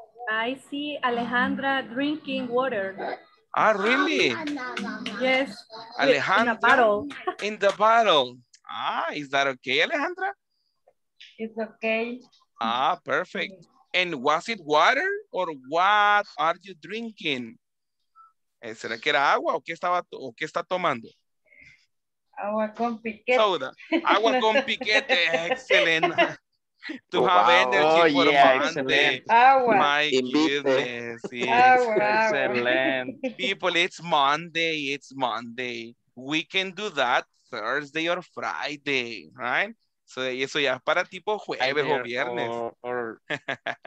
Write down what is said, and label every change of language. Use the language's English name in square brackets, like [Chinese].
[English] I see Alejandra drinking water. Ah, really? Yes. Alejandra. In the bottle. In the bottle. Ah, is that okay, Alejandra? It's okay. Ah, perfect. And was it water or what are you drinking? [Spanish] ¿Será que era agua o qué está tomando? Agua con piquete. Soda. Agua con piquete. Excelente. [English] To have energy for Monday. [Spanish] Agua. [English] My goodness. Excellent. People, it's Monday. We can do that Thursday or Friday, right? [Spanish] So eso ya para tipo jueves o viernes.